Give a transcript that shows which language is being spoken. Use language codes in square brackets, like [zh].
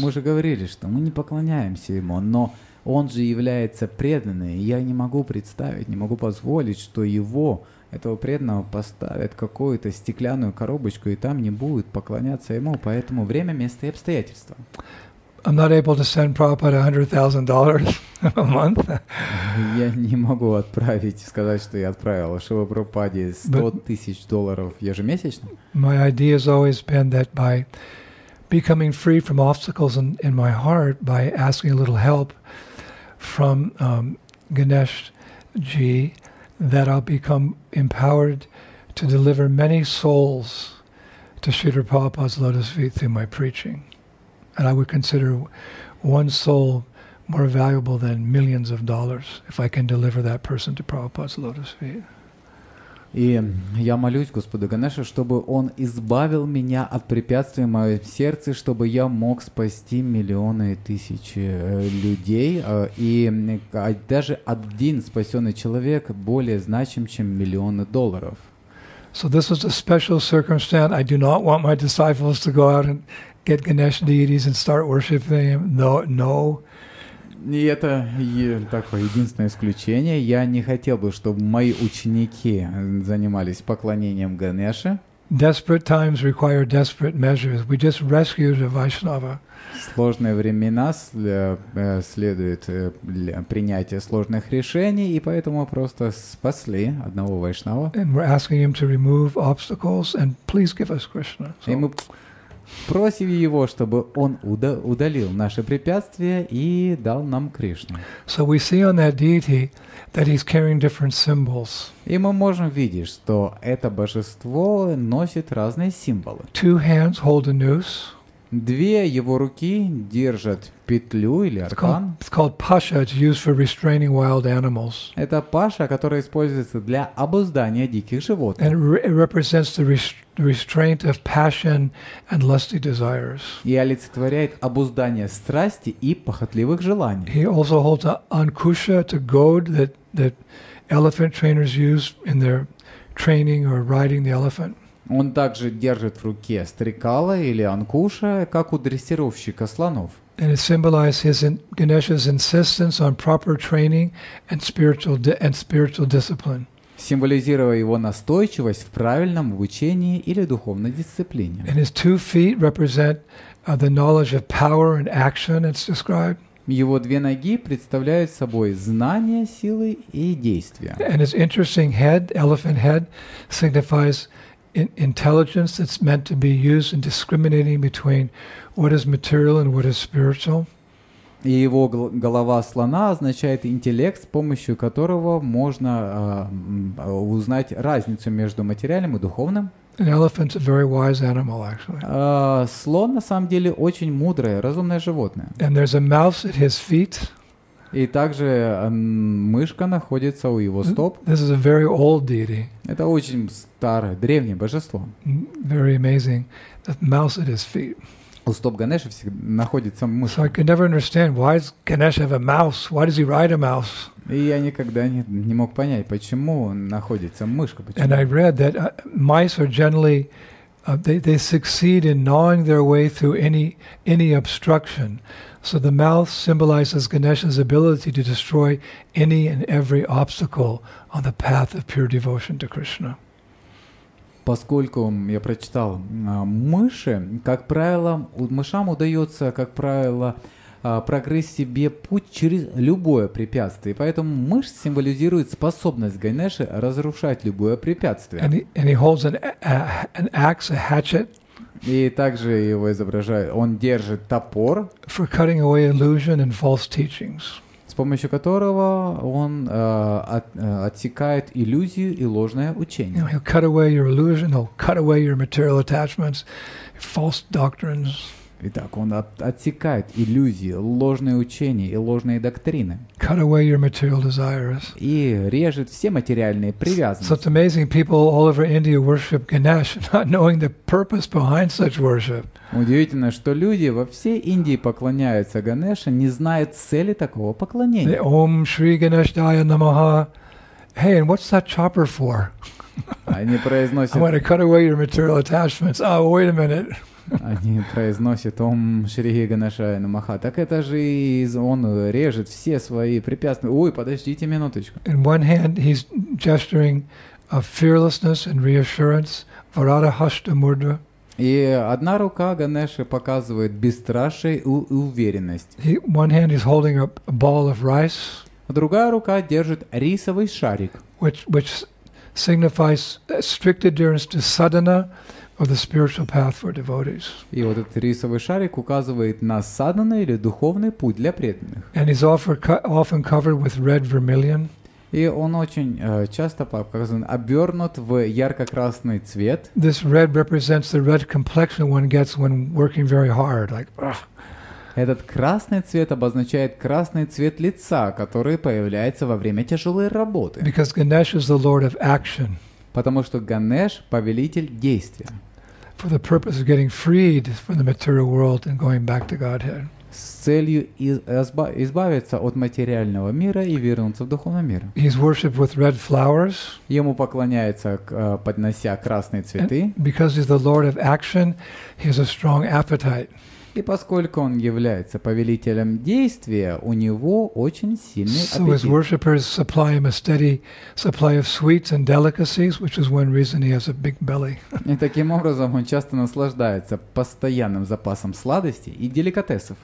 [ru] Мы же говорили, что мы не поклоняемся ему, но он же является преданный. Я не могу представить, не могу позволить, что его этого преданного поставят какую-то стеклянную коробочку, и там не будет поклоняться ему, поэтому время, место и обстоятельства. [en] I'm not able to send Prabhupada $100,000 a month. [ru] Я не могу отправить, сказать, что я отправил Шива Прабхупаде $100,000 ежемесячно. [en] My idea has always been that by becoming free from obstacles in my heart, by asking a little help from Ganesh Ji, that I'll become empowered to deliver many souls to Śrīla Prabhupāda's lotus feet through my preaching. And I would consider one soul more valuable than millions of dollars if I can deliver that person to Prabhupāda's lotus feet. [ru] И я молюсь Господу Ганеше, чтобы он избавил меня от препятствий в моем сердце, чтобы я мог спасти миллионы и тысячи людей. И даже один спасенный человек более значим, чем миллионы долларов. [en] So this was a special circumstance. I do not want my disciples to go out and get Ganesh deities and start worshiping him. No, no. [ru] И это такое единственное исключение. Я не хотел бы, чтобы мои ученики занимались поклонением Ганеше. [en] Desperate times require desperate measures. We just rescued a Vaishnava. [ru] Сложные времена следует принятие сложных решений, и поэтому просто спасли одного Вайшнава. [en] And we're asking him to remove obstacles and please give us Krishna. [ru] И мы просим его, чтобы он удалил наши препятствия и дал нам Кришну. [en] So we see on that deity that he's carrying different symbols. [ru] И мы можем видеть, что это божество носит разные символы. [en] Two hands hold a noose. [ru] Две его руки держат петлю или аркан. [en] It's called pasha, it's used for restraining wild animals. [ru] Это паша, которая используется для обуздания диких животных. [en] And it represents the restraint of passion and lusty desires. [ru] И олицетворяет обуздание страсти и похотливых желаний. [en] He also holds an ankusha, it's a goad that elephant trainers use in their training or riding the elephant. [ru] Он также держит в руке стрекало или анкуша, как у дрессировщика слонов. [en] And it symbolizes Ganesha's insistence on proper training and spiritual discipline. [ru] Символизируя его настойчивость в правильном обучении или духовной дисциплине. [en] And his two feet represent the knowledge of power and action, it's described. [ru] Его две ноги представляют собой знания, силы и действия. [en] And his interesting head, elephant head, signifies intelligence that's meant to be used in discriminating between what is material and what is spiritual. [ru] И его голова слона означает интеллект, с помощью которого можно узнать разницу между материальным и духовным. [en] An elephant's a very wise animal, actually. [ru] Слон на самом деле очень мудрое, разумное животное. [en] And there's a mouse at his feet. [ru] И также мышка находится у его стоп. [en] This is a very old deity. [ru] Это очень старое, древнее божество. [en] Very amazing. The mouse at his feet. [ru] У стоп Ганеши находится мышка. [en] So I could never understand, why does Ganesha have a mouse? Why does he ride a mouse? [ru] И я никогда не мог понять, почему находится мышка. Почему? [en] And I read that mice are generally, they succeed in gnawing their way through any obstruction. So the mouth symbolizes Ganesha's ability to destroy any and every obstacle on the path of pure devotion to Krishna. [ru] Поскольку я прочитал, мыши, как правило, мышам удается, как правило, прогрызть себе путь через любое препятствие. Поэтому мышь символизирует способность Ганеши разрушать любое препятствие. [en] And he holds an axe, a hatchet. [ru] И также его изображают. Он держит топор, [en] for cutting away illusion and false teachings. [ru] С помощью которого он отсекает иллюзию и ложное учение. [en] He'll cut away your illusion, he'll cut away your material attachments, false doctrines. [ru] Итак, он отсекает иллюзии, ложные учения и ложные доктрины. [en] Cut away your material desires. [ru] И режет все материальные привязанности. [en] So it's amazing people all over India worship Ganesh, not knowing the purpose behind such worship. [ru] Удивительно, что люди во всей Индии поклоняются Ганеше, не зная цели такого поклонения. [sa] Ом Шри Ганеш Дая Намаха. [en] Hey, and what's that chopper for? [ru] Они произносят. [en] I want to cut away your material attachments. Oh, wait a minute. [ru] Они произносят [sa] «Ом Шри Ганешая Намаха». [ru] Так это же он режет все свои препятствия. Ой, подождите минуточку. [en] In one hand he's gesturing of fearlessness and reassurance, Varada Hashta Mudra. [ru] И одна рука Ганеши показывает бесстрашие и уверенность. [en] He, one hand is holding a ball of rice. [ru] Другая рука держит рисовый шарик. [en] Which signifies strict adherence to sadhana, or the spiritual path for devotees. [ru] И вот этот рисовый шарик указывает на садхана или духовный путь для преданных. [en] And he's often covered with red vermilion. [ru] И он очень часто показан, обернут в ярко-красный цвет. [en] This red represents the red complexion one gets when working very hard, like. Ugh. [ru] Этот красный цвет обозначает красный цвет лица, который появляется во время тяжелой работы. [en] Because Ganesh is the lord of action. [ru] Потому что Ганеш – повелитель действия. [en] For the purpose of getting freed from the material world and going back to Godhead. [ru] С целью избавиться от материального мира и вернуться в духовный мир. [en] He's worshipped with red flowers. [ru] Ему поклоняется, поднося красные цветы. [en] And because he's the lord of action, he has a strong appetite. [ru] И поскольку он является повелителем действия, у него очень сильный аппетит. [en] So his worshippers supply him a steady supply of sweets and delicacies, which is one reason he has a big belly. [ru] И таким образом он часто наслаждается постоянным запасом сладостей и деликатесов.